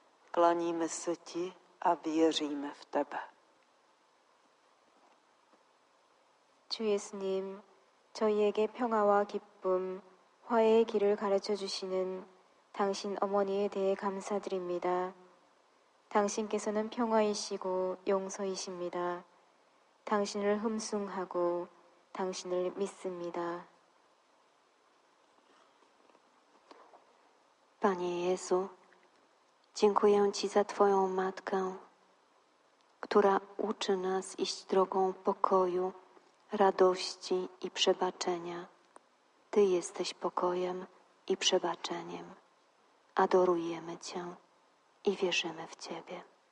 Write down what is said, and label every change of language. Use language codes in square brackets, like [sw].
[cs] Klaníme se ti a věříme v tebe. [ko] Jesus님, 저희에게 평화와 기쁨, 화해의 길을 가르쳐 주시는 당신 어머니에 대해 감사드립니다. 당신께서는 평화이시고 용서이십니다. 당신을 흠숭하고 당신을 믿습니다. [pl] Panie Jezu, dziękuję Ci za Twoją Matkę, która uczy nas iść drogą pokoju, radości i przebaczenia. Ty jesteś pokojem i przebaczeniem. Adorujemy Cię i wierzymy w Ciebie.